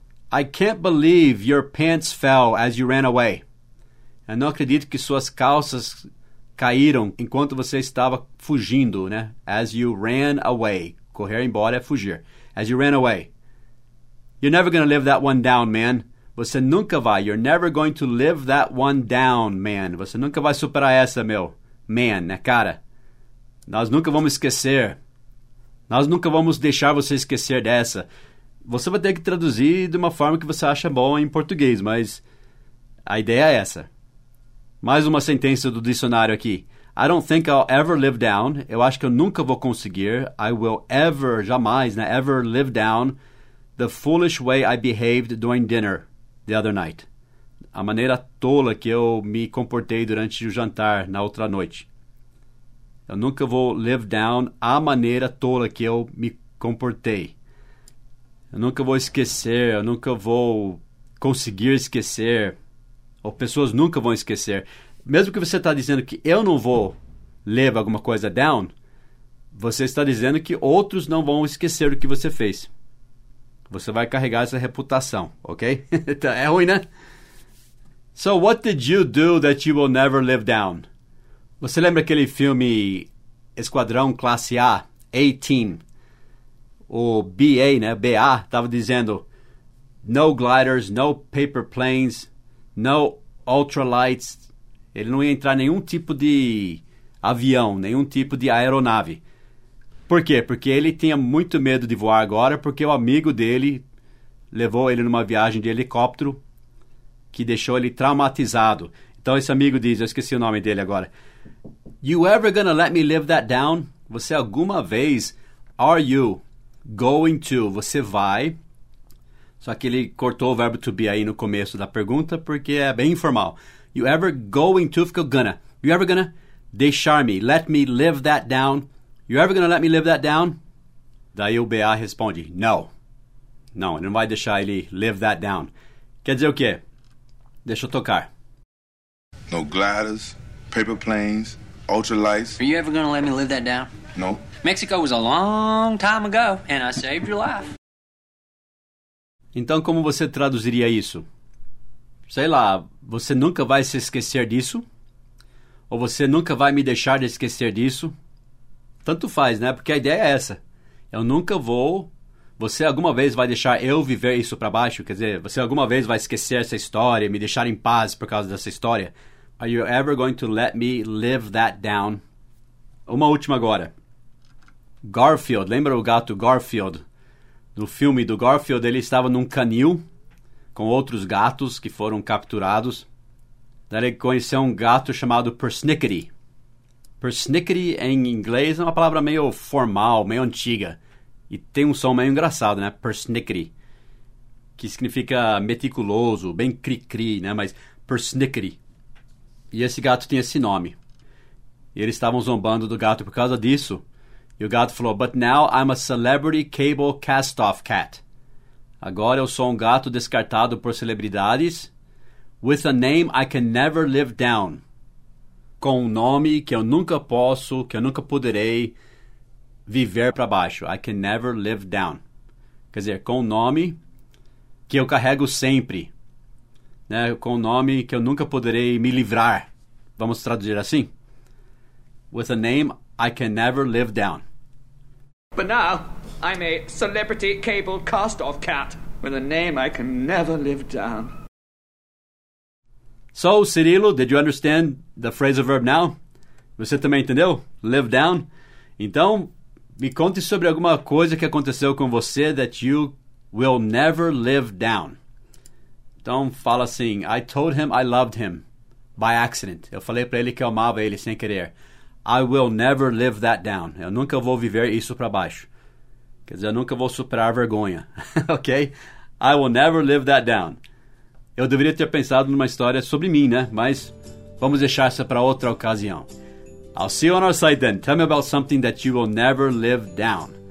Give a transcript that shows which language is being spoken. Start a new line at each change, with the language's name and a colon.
English: I can't believe your pants fell as you ran away.
Portuguese: Eu não acredito que suas calças caíram enquanto você estava fugindo, né?
English: As you ran away.
Portuguese: Correr embora é fugir.
English: As you ran away. You're never going to live that one down, man.
Portuguese: Você nunca vai.
English: You're never going to live that one down, man.
Portuguese: Você nunca vai superar essa, meu. Man, né, cara? Nós nunca vamos esquecer. Nós nunca vamos deixar você esquecer dessa. Você vai ter que traduzir de uma forma que você acha bom em português, mas a ideia é essa. Mais uma sentença do dicionário aqui.
English: I don't think I'll ever live down.
Portuguese: Eu acho que eu nunca vou conseguir.
English: I will ever,
Portuguese: jamais, né,
English: ever live down the foolish way I behaved during dinner the other night.
Portuguese: A maneira tola que eu me comportei durante o jantar na outra noite. Eu nunca vou live down a maneira tola que eu me comportei. Eu nunca vou esquecer, eu nunca vou conseguir esquecer. Ou pessoas nunca vão esquecer. Mesmo que você está dizendo que eu não vou live alguma coisa down, você está dizendo que outros não vão esquecer o que você fez. Você vai carregar essa reputação, ok? É ruim, né?
English: So what did you do that you will never live down?
Portuguese: Você lembra aquele filme Esquadrão Classe A, A-Team?
English: O BA, né? BA,
Portuguese: estava dizendo
English: no gliders, no paper planes, no ultralights.
Portuguese: Ele não ia entrar nenhum tipo de avião, nenhum tipo de aeronave. Por quê? Porque ele tinha muito medo de voar agora, porque o amigo dele levou ele numa viagem de helicóptero que deixou ele traumatizado. Então esse amigo diz, eu esqueci o nome dele agora.
English: You ever gonna let me live that down?
Portuguese: Você alguma vez,
English: are you going to,
Portuguese: você vai. Só que ele cortou o verbo to be aí no começo da pergunta, porque é bem informal.
English: You ever going to,
Portuguese: fica
English: gonna. You ever gonna deixar me, let me live that down? You ever gonna let me live that down?
Portuguese: Daí o BA responde, no. Não, ele não vai deixar ele live that down. Quer dizer o quê? Deixa eu tocar.
English: No gliders, paper planes, ultralights. Are you ever gonna let me live that down? No. Mexico was a long time ago, and I saved your life.
Portuguese: Então como você traduziria isso? Sei lá, você nunca vai se esquecer disso? Ou você nunca vai me deixar de esquecer disso? Tanto faz, né? Porque a ideia é essa. Eu nunca vou... Você alguma vez vai deixar eu viver isso para baixo? Quer dizer, você alguma vez vai esquecer essa história, me deixar em paz por causa dessa história?
English: Are you ever going to let me live that down?
Portuguese: Uma última agora. Garfield, lembra o gato Garfield? No filme do Garfield, ele estava num canil com outros gatos que foram capturados. Daí ele conheceu um gato chamado Persnickety. Persnickety em inglês é uma palavra meio formal, meio antiga. E tem um som meio engraçado, né? Persnickety. Que significa meticuloso, bem cri-cri, né? Mas Persnickety. E esse gato tinha esse nome. E eles estavam zombando do gato por causa disso. E o gato falou,
English: but now I'm a celebrity cable cast-off cat.
Portuguese: Agora eu sou um gato descartado por celebridades.
English: With a name I can never live down.
Portuguese: Com um nome que eu nunca posso, que eu nunca poderei viver para baixo.
English: I can never live down.
Portuguese: Quer dizer, com um nome que eu carrego sempre. Né? Com um nome que eu nunca poderei me livrar. Vamos traduzir assim?
English: With a name I can never live down. But now, I'm a celebrity cable cast-off cat with a name I can never live down. So, Cirilo, did you understand the phrasal verb now?
Portuguese: Você também entendeu? Live down? Então, me conte sobre alguma coisa que aconteceu com você
English: that you will never live down.
Portuguese: Então, fala assim,
English: I told him I loved him by accident.
Portuguese: Eu falei para ele que eu amava ele sem querer.
English: I will never live that down.
Portuguese: Eu nunca vou viver isso para baixo. Quer dizer, eu nunca vou superar a vergonha. Ok?
English: I will never live that down.
Portuguese: Eu deveria ter pensado numa história sobre mim, né? Mas vamos deixar essa para outra ocasião.
English: I'll see you on our site then. Tell me about something that you will never live down.